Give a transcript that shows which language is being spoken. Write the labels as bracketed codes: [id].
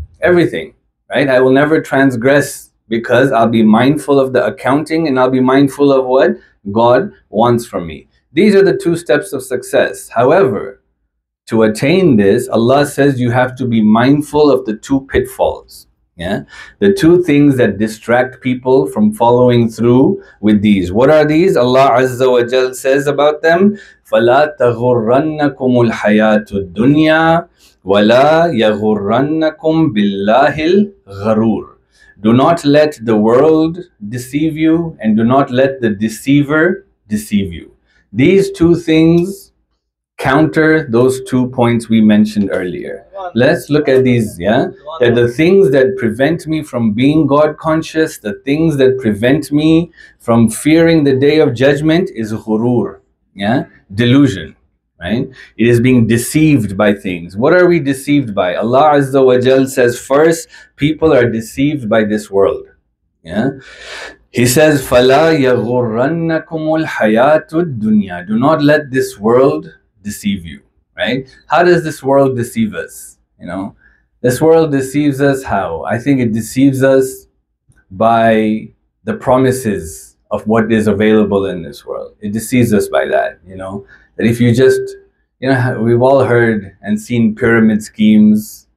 [en] Everything, right? I will never transgress because I'll be mindful of the accounting and I'll be mindful of what God wants from me. These are the two steps of success. However, to attain this, Allah says you have to be mindful of the two pitfalls. Yeah, the two things that distract people from following through with these. What are these? [ar] Allah Azza wa Jal says about them, فَلَا تَغُرَّنَّكُمُ الْحَيَاةُ الدُّنْيَا وَلَا يَغُرَّنَّكُمْ بِاللَّهِ الْغَرُورِ. [en] Do not let the world deceive you, and do not let the deceiver deceive you. These two things counter those two points we mentioned earlier. Let's look at these, yeah? That the things that prevent me from being God conscious, the things that prevent me from fearing the Day of Judgment is ghurur, yeah? Delusion, right? It is being deceived by things. What are we deceived by? Allah Azza wa Jal says, first, people are deceived by this world, yeah? [ar] He says, فَلَا يَغُرَّنَّكُمُ الْحَيَاةُ الدُّنْيَا. [en] Do not let this world deceive you, right? How does this world deceive us? You know, this world deceives us how? I think it deceives us by the promises of what is available in this world. It deceives us by that, you know, that if you just, you know, we've all heard and seen pyramid schemes.